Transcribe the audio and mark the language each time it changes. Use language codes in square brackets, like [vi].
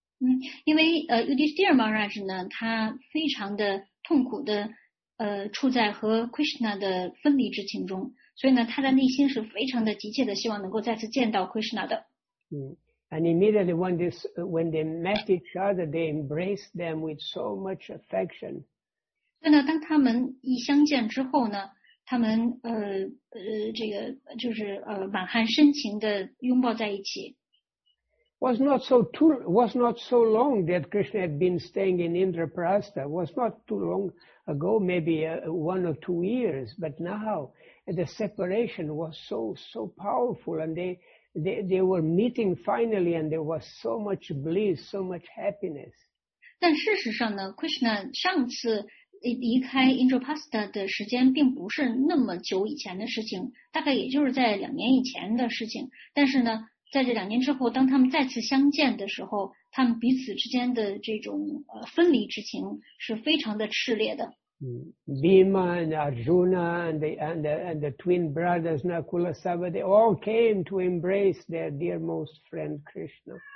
[zh] 嗯，因为Yudhishthira Maharaj 呢，他非常的痛苦的处在和 Krishna 的分离之情中，所以呢，他的内心是非常的急切的希望能够再次见到 Krishna 的。嗯。 [en] And immediately when they met each other, they embraced them with so much affection. [zh] 所以呢，当他们一相见之后呢，他们这个就是满含深情的拥抱在一起。 [en] Was not so long that Krishna had been staying in Indraprastha. Was not too long ago, maybe one or two years. But now the separation was so powerful, and they were meeting finally, and there was so much bliss, so much happiness. [zh] 但事实上呢 ，Krishna 上次离开 Indraprastha 的时间并不是那么久以前的事情，大概也就是在两年以前的事情。但是呢，在这两年之后，当他们再次相见的时候，他们彼此之间的这种分离之情是非常的炽烈的。 [en] Bhima and Arjuna and the twin brothers Nakula Sabha, they all came to embrace their dear most friend Krishna.